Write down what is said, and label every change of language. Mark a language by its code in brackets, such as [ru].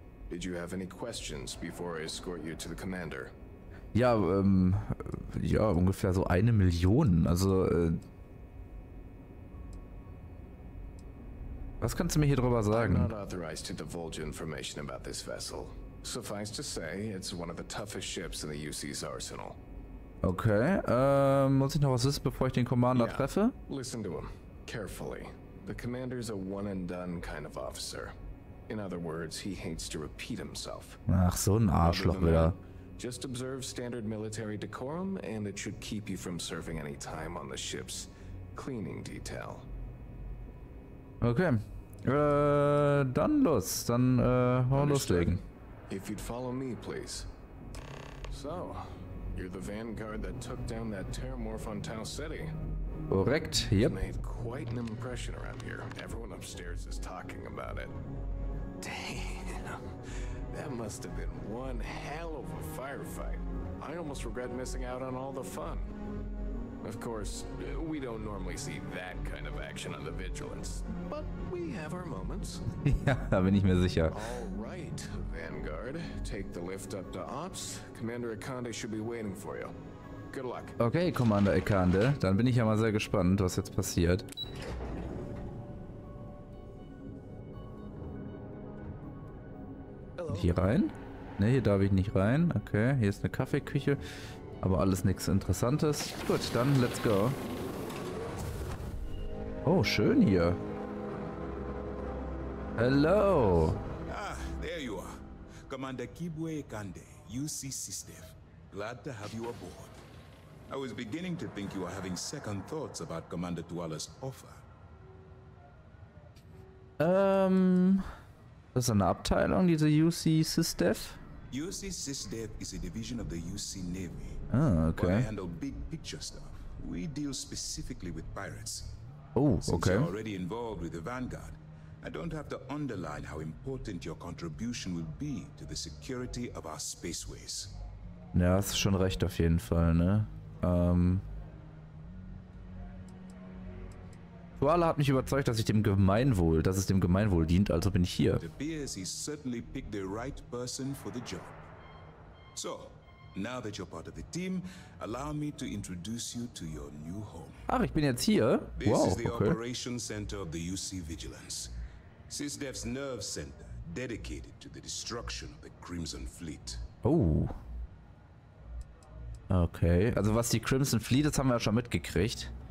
[en] Did you have any questions before I escort you to the commander? [de] Ja, ja, ungefähr so 1 Million. Also, was kannst du mir hier drüber sagen? [en] I'm not authorized to divulge information about this vessel. Suffice to say, it's one of the toughest ships in the UC's arsenal. [de] Okay, muss ich noch was wissen, bevor ich den Commander treffe? [en] Listen to him. Carefully. The Commander's a one-and-done kind of officer. In other words, he hates to repeat himself. [de] Ach, so ein Arschloch wieder. [en] Just observe standard military decorum, and it should keep you from serving any time on the ship's cleaning detail. [de] Okay. Dann los. Dann, mal loslegen. [en] If you'd follow me, please. So, you're the vanguard that took down that terramorph on Tau City. Correct, yep. You made quite an impression around here. Everyone upstairs is talking about it. Damn, that must have been one hell of a firefight. I almost regret missing out on all the fun. Of course, we don't normally see that kind of action on the Vigilance, but we have our moments. [de] Ja, da bin ich mir sicher. [en] All right, Vanguard, take the lift up to Ops. Commander Ikande should be waiting for you. Good luck. [de] Okay, Commander Ikande, dann bin ich ja mal sehr gespannt, was jetzt passiert. [en] Hello. [de] Hier rein? Ne, hier darf ich nicht rein. Okay, hier ist eine Kaffeeküche. Aber alles nichts Interessantes. Gut, dann [en] let's go. [de] Oh, schön hier. [en] Hello. Ah, there you are. Commander Kibwe Ikande, UC Sister. Glad to have you aboard. I was beginning to think you were having second thoughts about Commander Tuala's offer. [de] Das ist eine Abteilung, diese UC Sister. [en] UC SysDev is a division of the UC Navy. Ah, okay. While I handle big picture stuff, we deal specifically with pirates. Oh, since okay. You're already involved with the Vanguard, I don't have to underline how important your contribution will be to the security of our spaceways. [de] Ja, hast schon recht auf jeden Fall, ne? Duala hat mich überzeugt, dass ich dem Gemeinwohl, dass es dem Gemeinwohl dient, also bin ich hier. [en] It appears he certainly picked the right person for the job. So, now that you're part of the team, allow me to introduce you to your new home. [de] Ach, ich bin jetzt hier. Wow, okay. [en] This is the operation center of the UC Vigilance. SysDev's nerve center, dedicated to the destruction of the Crimson Fleet. Oh. [de] Okay, also was die Crimson Fleet ist, haben wir ja schon mitgekriegt.